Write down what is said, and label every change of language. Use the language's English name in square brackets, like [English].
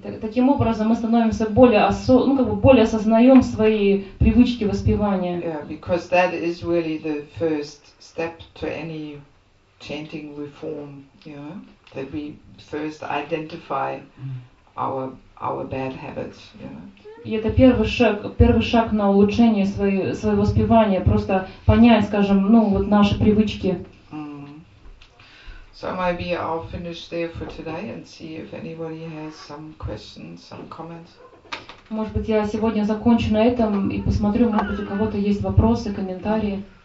[Russian] И таким образом мы становимся более более осознаем свои привычки воспевания. [English] Yeah, because that is really the first step to any chanting reform, you know, that we first identify our bad habits, you know. [Russian] И это первый шаг на улучшение своего воспевания, просто понять, скажем, ну, вот наши привычки. [English] So maybe I'll finish there for today and see if anybody has some questions, some comments. [Russian] Может быть, я сегодня закончу на этом и посмотрю, может быть, у кого-то есть вопросы, комментарии.